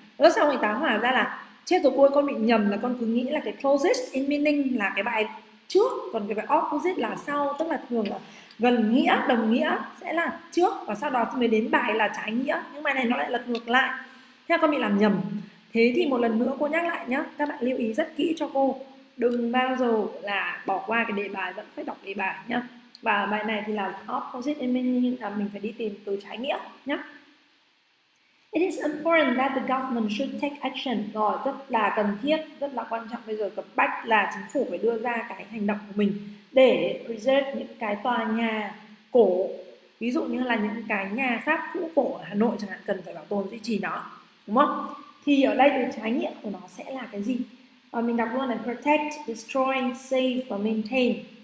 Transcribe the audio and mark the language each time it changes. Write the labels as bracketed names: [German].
[Vietnamese] Lớp sau người tá hỏa ra là chết rồi cô ơi, con bị nhầm, là con cứ nghĩ là cái [English] closest in meaning [Vietnamese] là cái bài trước, còn cái bài opposite là sau, tức là thường là gần nghĩa đồng nghĩa sẽ là trước và sau đó thì mới đến bài là trái nghĩa, nhưng bài này nó lại lật ngược lại, thế là con bị làm nhầm. Thế thì một lần nữa cô nhắc lại nhá, các bạn lưu ý rất kỹ cho cô, đừng bao giờ là bỏ qua cái đề bài, vẫn phải đọc đề bài nhá. Và bài này thì là [English] opposite meaning, [Vietnamese] là mình phải đi tìm từ trái nghĩa nhá. [English] It is important that the government should take action. [Vietnamese] Rồi, rất là cần thiết, rất là quan trọng bây giờ, cấp bách là chính phủ phải đưa ra cái hành động của mình để preserve những cái tòa nhà cổ. Ví dụ như là những cái nhà Pháp cũ cổ ở Hà Nội chẳng hạn, cần phải bảo tồn, duy trì nó. Đúng không? Thì ở đây thì trái nghĩa của nó sẽ là cái gì? Mình đọc luôn là [English] protect, destroy, save [Vietnamese] và maintain.